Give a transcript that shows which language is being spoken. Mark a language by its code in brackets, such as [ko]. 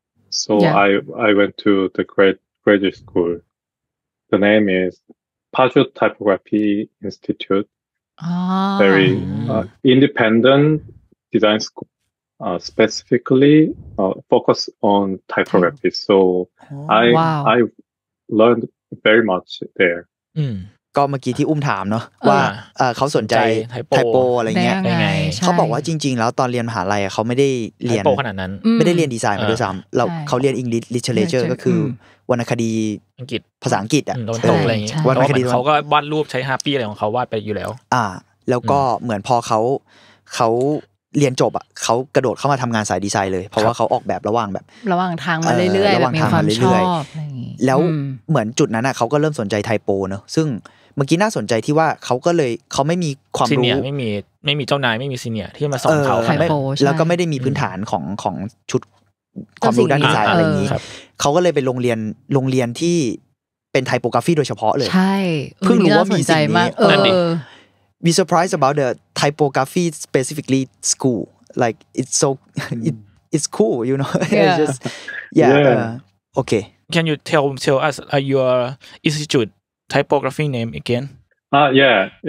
[en] So I went to the graduate school. The name is Paju Typography Institute. very independent design school, specifically focus on typography. Oh. So oh, I learned very much there. [th] ก็เมื่อกี้ที่อุ้มถามเนาะว่าเขาสนใจไทโปอะไรเงี้ย ยังไง เขาบอกว่าจริงๆแล้วตอนเรียนมหาลัยเขาไม่ได้เรียน ไทโปขนาดนั้น ไม่ได้เรียนดีไซน์มาด้วยซ้ำเขาเรียนอังกฤษลิเทเรเจอร์ก็คือวรรณคดี อังกฤษ ภาษาอังกฤษอ่ะ โดนตกอะไรเงี้ยวรรณคดีเขาก็วาดรูปใช้ฮาร์ปี้อะไรของเขาวาดไปอยู่แล้ว แล้วก็เหมือนพอเขาเรียนจบอ่ะเขากระโดดเข้ามาทำงานสายดีไซน์เลยเพราะว่าเขาออกแบบระหว่างแบบ ระหว่างทางมาเรื่อยๆ ระหว่างทางมาเรื่อย ๆ แล้วเหมือนจุดนั้นอ่ะเขาก็เริ่มสนใจไทโปเนอะซึ่งเมื่อกี้น่าสนใจที่ว่าเขาก็เลยเขาไม่มีความรู้ ไม่มีเจ้านายไม่มีซีเนียร์ที่มาสอนเขา ไทโป แล้วก็ไม่ได้มีพื้นฐานของชุดความรู้ด้านดีไซน์อะไรนี้เขาก็เลยไปโรงเรียนที่เป็นไทโปกราฟีโดยเฉพาะเลย ใช่ เพิ่งรู้ว่ามีสิ่งนี้ [en] We surprised about the typography specifically school. Like it's so it's cool, you know. Yeah. It's just, yeah. Okay. Can you tell us your institute typography name again? Yeah.